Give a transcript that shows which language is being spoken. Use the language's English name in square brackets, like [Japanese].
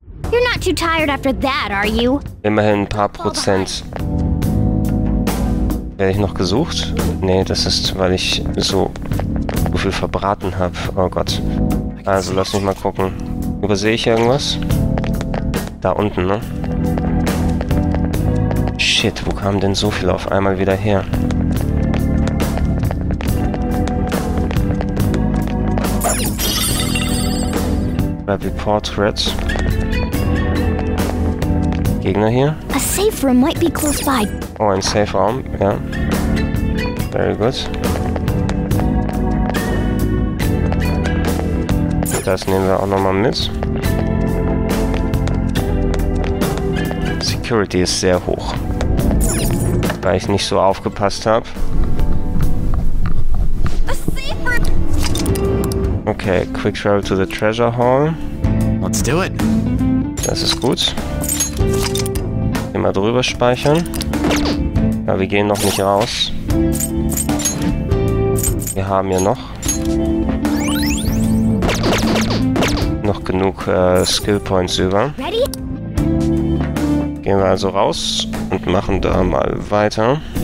[English] You're not too tired after that, are you? [German] Immerhin ein paar Prozent. Werde ich noch gesucht? Nee, das ist, weil ich so viel verbraten habe. Oh Gott. Also, lass mich mal gucken. Übersehe ich irgendwas? Da unten, ne? Shit, wo kam denn so viel auf einmal wieder her? [English] Rapid Portrait. [German] Gegner hier. [English] A safe room might be close by. [German] Oh, ein Safe Room, ja. [English] Very good. [German] Das nehmen wir auch nochmal mit. Security ist sehr hoch. Weil ich nicht so aufgepasst habe. [English] A safe room. Okay, quick travel to the treasure hall. Let's do it. [German] Das ist gut. Immer drüber speichern. Ja, wir gehen noch nicht raus. Wir haben ja noch genug Skillpoints über. Gehen wir also raus und machen da mal weiter.